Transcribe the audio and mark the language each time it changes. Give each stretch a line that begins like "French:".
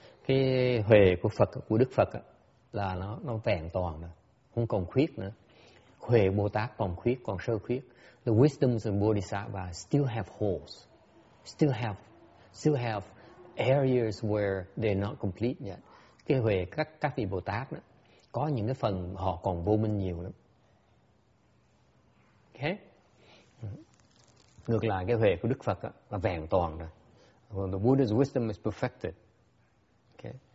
Vietnamese: Cái huệ của Phật, của Đức Phật là nó vẹn toàn rồi, không còn khuyết nữa. Huệ Bồ Tát còn khuyết, còn sơ khuyết.
English: The wisdom of Bodhisattva still have holes. Still have areas where they're not complete yet.
Vietnamese: Cái huệ các vị Bồ Tát đó, có những cái phần họ còn vô minh nhiều lắm. Okay? Ngược lại cái huệ của Đức Phật đó, là vẹn toàn rồi.
English: Well, the Buddha's wisdom is perfected. Okay.